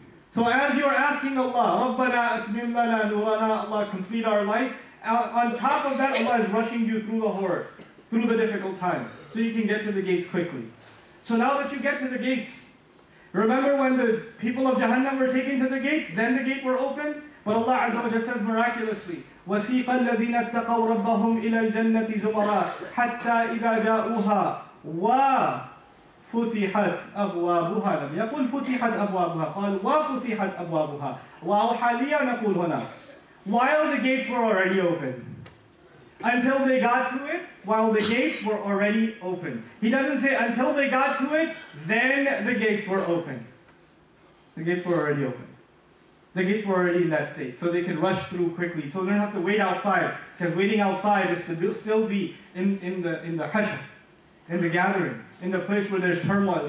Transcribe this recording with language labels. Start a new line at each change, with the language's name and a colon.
English: So as you're asking Allah,
Arabic: رَبَّنَا أَتْمِمْ لَنَا نُورَنَا
English: Allah, complete our life. On top of that, Allah is rushing you through the horror, through the difficult time, so you can get to the gates quickly. So now that you get to the gates, remember when the people of Jahannam were taken to the gates, then the gate were open?
Arabic: But Allah Azza wa Jalla says miraculously, وَسِيقَ الَّذِينَ اتَّقَوْا رَبَّهُمْ إِلَى الْجَنَّةِ زُمَرَى حَتَّى إِذَا جَاءُوهَا وَا فُتِحَتْ أَبْوَابُهَا لَمْ يَقُلْ فُتِحَتْ أَبْوَابُهَا قَالْ وَفُتِحَتْ أَبْوَابُهَا وَأَوْحَى لِيَا نَقُولْ هُنَا
English: While the gates were already open. Until they got to it, while the gates were already open. He doesn't say until they got to it, then the gates were open. The gates were already open. The gates were already in that state, so they can rush through quickly. So they don't have to wait outside, because waiting outside is to still be in the hashr, in the gathering, in the place where there's turmoil.